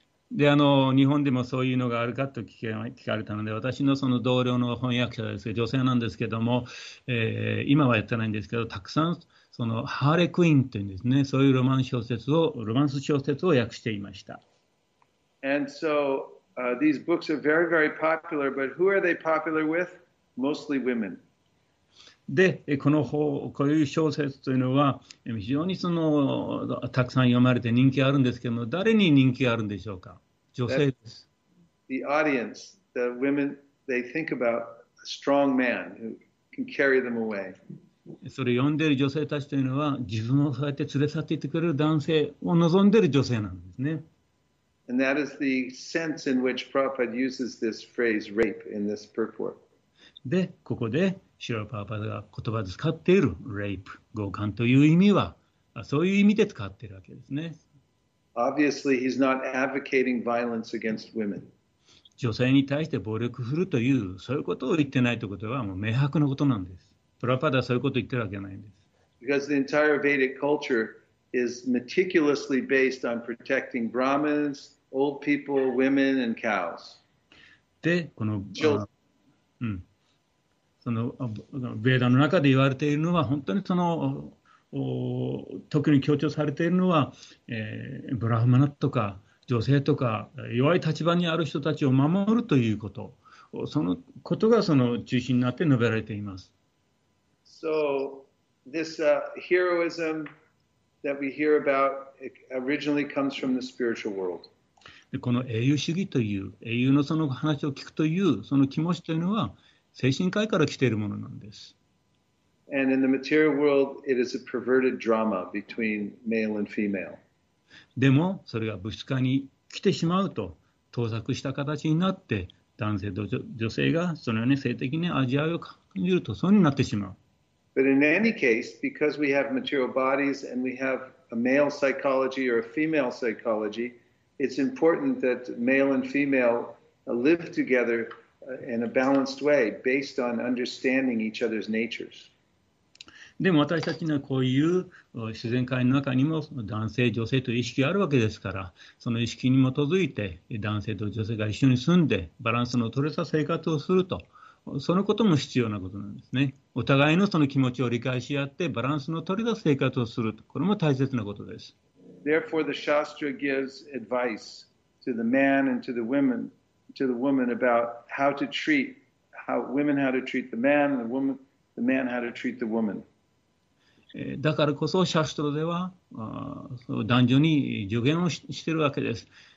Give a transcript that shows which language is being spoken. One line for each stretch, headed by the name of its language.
Japanese: で、日本でもそういうのがあるかと聞かれたので、私のその同僚の翻訳者ですが、女性なんですけども、今はやってないんですけど、たくさんそのハーレクイーンというんですね、そういうロマンス小説を、ロマンス小説を訳していました。
English: And so, these books are very, very popular, but who are they popular with? Mostly women.
Japanese: で、この本、こういう小説というのは、非常にその、たくさん読まれて人気あるんですけども、誰に人気あるんでしょうか？女性です。
English: The audience, the women, they think about a strong man who can carry them away.
Japanese: それ読んでいる女性たちというのは、自分をそうやって連れ去っていってくれる男性を望んでいる女性なんですね。
English: And that is the sense in which Prabhupada uses this phrase, rape, in this purport.
Japanese: で、ここで、シロパーパーが言葉で使っている rape、強姦という意味は、そういう意味で使っているわけですね。
English: Obviously, he's not advocating violence against women.
Japanese: 女性に対して暴力振るという、そういうことを言ってないということは、もう明白なことなんです。プラパーダはそういうことを言ってるわけないんです。
English: Because the entire Vedic culture is meticulously based on protecting Brahmins, old people, women, and cows.
Japanese: で、この、その、ベーダの中で言われているのは、本当にその、特に強調されているのは、ブラフマナとか女性とか弱い立場にある人たちを守るということ、そのことがその中心になって述べられています。
English: So this heroism that we hear about originally comes from the spiritual world.
Japanese: で、この英雄主義という、英雄のその話を聞くという、その気持ちというのは精神科医から来ているものなんです。
English: And in the material world, it is a perverted drama between male and female.
Japanese: でもそれが物質化に来てしまうと、倒錯した形になって、男性と女性がそのように性的に味わいを感じると、そうになってしまう。
English: But in any case, because we have material bodies and we have a male psychology or a female psychology, it's important that male and female live together in a balanced way based on understanding each other's natures.
Japanese: でも私たちにはこういう自然界の中にも男性女性という意識があるわけですから、その意識に基づいて男性と女性が一緒に住んでバランスの取れた生活をすると、そのことも必要なことなんですね。お互いのその気持ちを理解し合ってバランスの取れた生活をする、これも大切なことです。
English: Therefore, the Shastra gives advice to the man and to the woman about how to treat the man, and the man how to treat the woman.
Japanese: だからこそシャストロでは男女に助言をしているわけです。